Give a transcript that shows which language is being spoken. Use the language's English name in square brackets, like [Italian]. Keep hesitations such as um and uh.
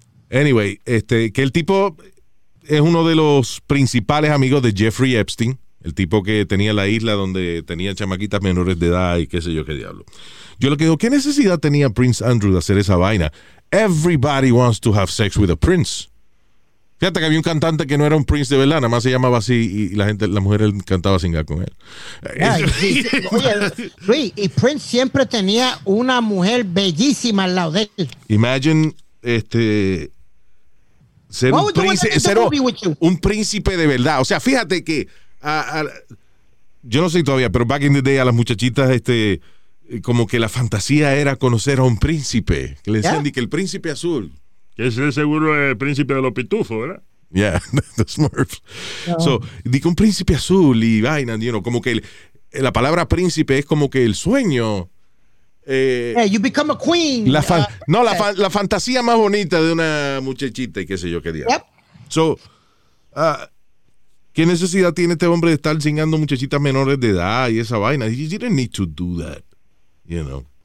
[Spanish] Anyway, este, que el tipo es uno de los principales amigos de Jeffrey Epstein, el tipo que tenía la isla donde tenía chamaquitas menores de edad y qué sé yo qué diablo. Yo lo que digo, ¿qué necesidad tenía Prince Andrew de hacer esa vaina? [English] Everybody wants to have sex with a prince. [Spanish] Fíjate que había un cantante que no era un Prince de verdad, nada más se llamaba así y la gente, la mujer cantaba sin con él. Ay, sí, sí, oye, y Prince siempre tenía una mujer bellísima al lado de él. Imagine, este. Ser un príncipe, cero, un príncipe de verdad. O sea, fíjate que. A, a, yo no sé todavía, pero [English] back in the day [Spanish] a las muchachitas, este. Como que la fantasía era conocer a un príncipe. Que le que el príncipe azul. Que ese seguro es seguro el príncipe de los pitufos, ¿verdad? [English] Yeah, the Smurfs. [Spanish] No. So, un príncipe azul y vaina, [English] you know, [Spanish] como que el, la palabra príncipe es como que el sueño. Eh, hey, [English] you become a queen. La uh, no, la, fa [Spanish] la fantasía más bonita de una muchachita y qué sé yo qué día. Yep. So, uh, ¿qué necesidad tiene este hombre de estar chingando muchachitas menores de edad y esa vaina? [English] You didn't need to do that, you know.